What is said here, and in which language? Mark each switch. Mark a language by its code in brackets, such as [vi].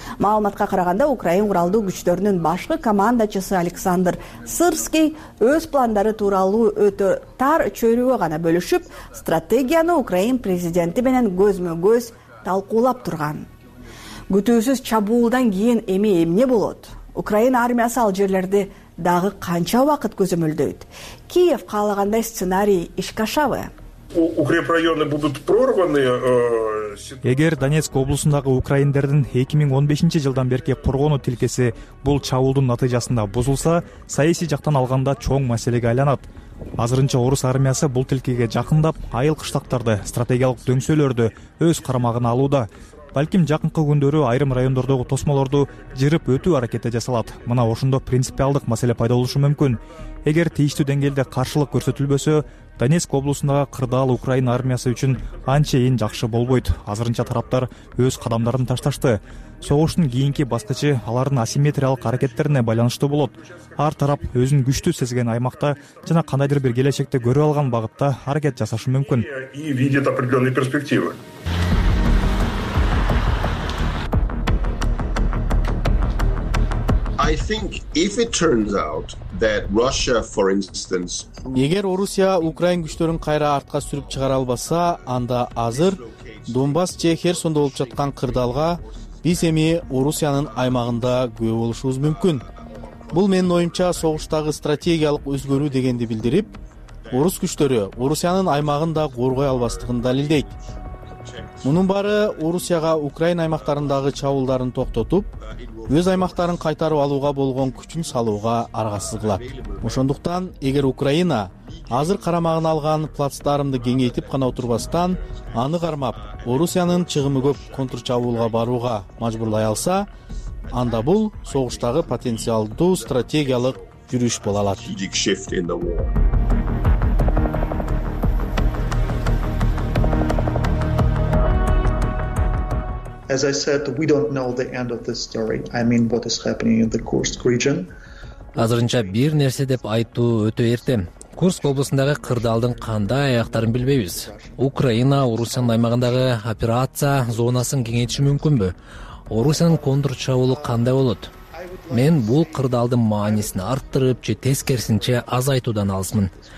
[ky] Маалыматка караганда Украин куралдуу күчтөрүнүн башкы командачысы Александр Сырский өз пландары тууралуу өтө тар чөйрөгө гана бөлүшүп, стратегияны Украин президенти менен көзмө-көз талкуулап турган. Күтүүсүз чабуулдан кийин эми эмне болот? Украина армиясы ал жерлерди дагы канча убакыт көзөмөлдөйт? Киев каалагандай сценарий ишке ашабы? [ru] Укрепрайоны будут прорваны. [ky] Эгер Донецк облусундагы украиндердин 2015 жылдан берки коргоону тилкеси бул чабуулдун натыйжасында бузулса, саясий жактан алганда чоң маселеге айланат. Азырынча орус армиясы бул тилкеге жакындап, айыл кыштактарды, стратегиялык дөңсөлөрдү өз карамагына алууда. Балким жакынкы күндөрү айрым райондордогу тосмолорду жырып өтүү аракети жасалат. Мына ошондо принципиалдык маселе пайда болушу мүмкүн. Эгер тийиштүү деңгээлде каршылык көрсөтүлбөсө, Донецк облусундагы кырдаал Украина армиясы үчүн анчейин жакшы болбойт. Азырынча тараптар өз кадамдарын ташташты. Согуштун кийинки баскычы алардын асимметриялык аракеттерине байланыштуу болот. Ар тарап өзүн күчтүү сезген аймакта жана кандайдыр бир келечекте көрүп алган багытта аракет жасашы мүмкүн. [en] I think if it turns out that Russia, for instance, [ky] эгер Орусия Украин күчтөрүн кайра артка сүрүп чыгара албаса, анда азыр Донбасс же Херсондо болуп жаткан кырдаалга биз эми Орусиянын аймагында күбө болушубуз мүмкүн. Бул менин оюмча согуштагы стратегиялык өзгөрүү дегенди билдирип, орус күчтөрү Орусиянын аймагын да коргой албастыгын далилдейт. Мунун баары Орусияга Украина аймактарындагы чабуулдарын токтотуп, өз аймактарын кайтарып алууга болгон күчүн салууга аргасыз кылат. Ошондуктан эгер Украина азыр карамагына алган плацдармды кеңейтип гана отурбастан, аны кармап, Орусиянын чыгымы көп контрчабуулга барууга мажбурлай алса, анда бул согуштагы потенциалдуу стратегиялык жүрүш боло алат. [en] As I said, we don't know the end of this story. I mean, what is happening in the Kursk region? [ky] Азырынча бир нерсе деп айтуу өтө эрте. Курск облусундагы кырдаалдын кандай аяктарын билбейбиз. Украина Орусиянын аймагындагы операция зонасын кеңейтиши мүмкүнбү? Орусиянын контрчабуулу кандай болот? Мен бул кырдаалдын маанисин арттырып же тескерисинче азайтуудан алысмын.